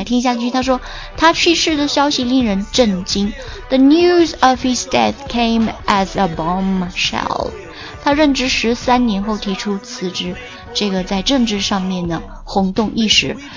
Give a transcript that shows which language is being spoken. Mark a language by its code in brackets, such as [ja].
[zh] 来听一下句，他说他去世的消息令人震惊。 [en] The news of his death came as a bombshell。 [zh] 他任职13年后提出辞职，这个在政治上面呢轰动一时。